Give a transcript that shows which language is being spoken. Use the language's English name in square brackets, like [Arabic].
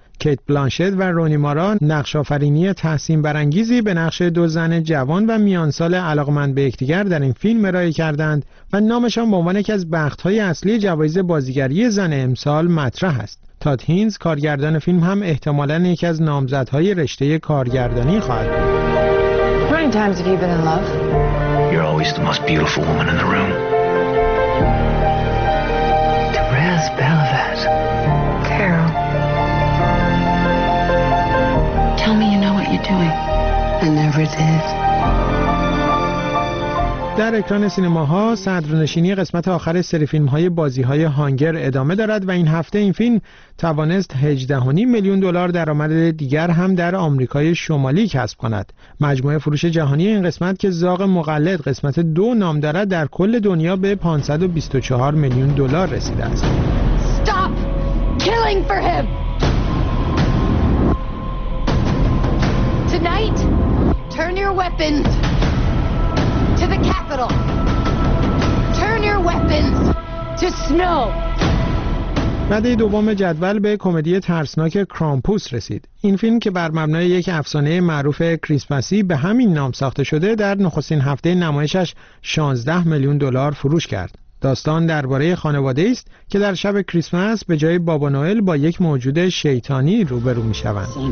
[Persian] کیت بلانشت و رونی مارا نقش‌آفرینی تحسین برانگیزی به نقش 2 زن جوان و میانسال علاقمند به یکدیگر در این فیلم ارائه کردند و نامشان به عنوان یکی از بخت‌های اصلی جوایز بازیگری زن امسال مطرح است. تات هینز کارگردان فیلم هم احتمالاً یکی از نامزدهای رشته کارگردانی خواهد بود. [English] Times have you been in love? You're always the most beautiful woman in the room. Therese Belavet. Carol. Tell me you know what you're doing. I never did. [Persian] در اکران سینماها صدرنشینی قسمت آخر سری فیلم‌های بازی‌های هانگر ادامه دارد و این هفته این فیلم توانست 18.5 میلیون دلار درآمد دیگر هم در آمریکای شمالی کسب کند. مجموعه فروش جهانی این قسمت که زاغ مقلد قسمت 2 نام دارد در کل دنیا به 524 میلیون دلار رسیده است. [English] Stop killing for him. Tonight, turn your weapons. To the Capitol. Turn your weapons to snow. [Persian] رده دوم جدول به کمدی ترسناک کرامپوس رسید. این فیلم که بر مبنای یک افسانه معروف کریسمسی به همین نام ساخته شده در نخستین هفته نمایشش 16 میلیون دلار فروش کرد. داستان درباره خانواده است که در شب کریسمس به جای بابا نوئل با یک موجود شیطانی روبرو می شوند.